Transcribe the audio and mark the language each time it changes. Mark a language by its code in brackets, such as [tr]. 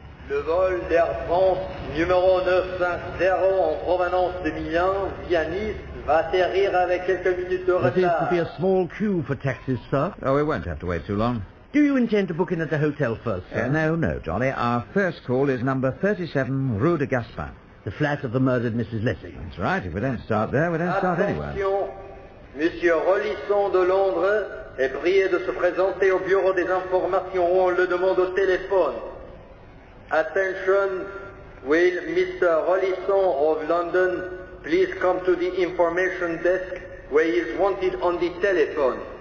[fr] Le vol d'Air France numéro 950 en provenance de Milan via Nice va atterrir avec quelques minutes de retard. [en] There seems to be a small queue for taxis, sir. Oh, we won't have to wait too long. Do you intend to book in at the hotel first, sir? No, Jolly. Our first call is number 37, Rue de Gaspar. The flat of the murdered Mrs. Lessing. That's right. If we don't start there, we don't start anywhere. [fr] Attention, Monsieur Rollison de Londres est prié de se présenter au bureau des informations où on le demande au téléphone. [en] Attention, will Mr. Rollison of London please come to the information desk where he is wanted on the telephone?